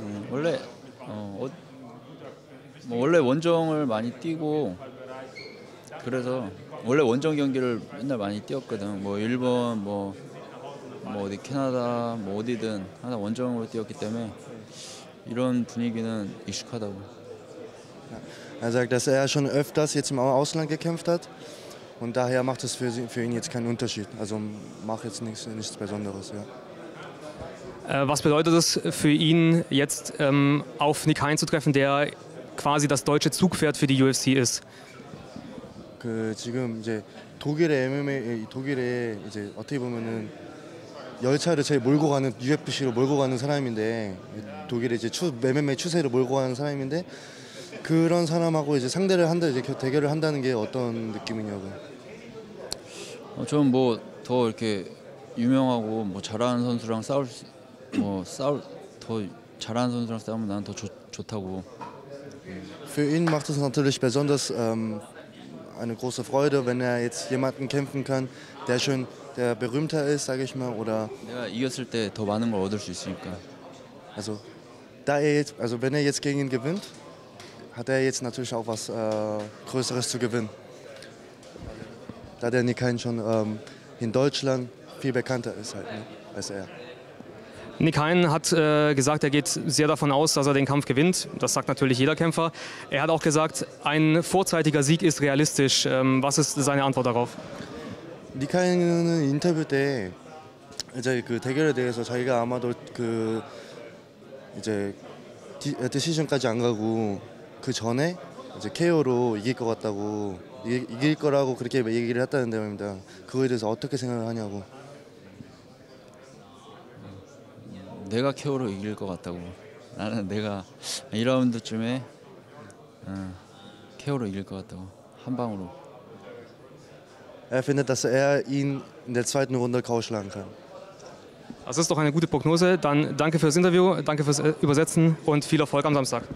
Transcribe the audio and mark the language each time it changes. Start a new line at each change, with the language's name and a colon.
Korean: 원래 뭐 원래 원정을 많이 뛰고 그래서 원래 원정 경기를 맨날 많이 뛰었거든. 뭐 일본 뭐 어디 캐나다 뭐 어디든 하나 원정으로 뛰었기 때문에 이런 분위기는 익숙하다고.
German: Er sagt, dass er schon öfters jetzt im Ausland gekämpft hat und daher macht es für ihn jetzt keinen Unterschied. Also macht jetzt nichts Besonderes. Ja. Was bedeutet es für ihn jetzt auf Nick Hein zu treffen, der quasi das deutsche Zugpferd für die UFC ist?
Korean: 그 지금 이제 독일의 MMA, 독일의 이제 어떻게 보면은 열차를 제일 몰고 가는 UFC로 몰고 가는 사람인데 독일의 이제 MMA 추세를 몰고 가는 사람인데. 그런 사람하고 이제 상대를 한다 이제 대결을 한다는 게 어떤 느낌이냐고. 저는 뭐 더 이렇게 유명하고 뭐 잘하는 선수랑 싸울 수, 뭐 싸울 더 잘하는 선수랑 싸우면 나는 더 좋다고.
German: Für ihn macht es natürlich besonders eine große Freude, wenn er jetzt jemanden kämpfen kann, der schon der berühmter ist, sage ich mal, oder
Korean: 내가 이겼을 때 더 많은 걸 얻을 수 있으니까.
German: Also da er jetzt, also wenn er jetzt gegen ihn gewinnt, hat er jetzt natürlich auch was Größeres zu gewinnen. Da der Nick Hein schon in Deutschland viel bekannter ist halt, ne, als er. Nick Hein hat gesagt, er geht sehr davon aus, dass er den Kampf gewinnt. Das sagt natürlich jeder Kämpfer. Er hat auch gesagt, ein vorzeitiger Sieg ist realistisch. Was ist seine Antwort darauf? Nick Hein im Interview, der hat gesagt, dass er den Kampf 그 전에 이제 KO로 이길 것 같다고 이길 거라고 그렇게 얘기를 했다는 내용입니다.
Korean: 그거에 대해서 어떻게 생각을 하냐고. 내가 KO로 이길 것 같다고. 나는 내가 1라운드쯤에 KO로 이길 것 같다고. 한 방으로.
German: Er findet, dass er ihn in der zweiten Runde KO schlagen kann. Das ist doch eine gute Prognose. Dann danke fürs Interview, danke fürs Übersetzen und viel Erfolg am Samstag.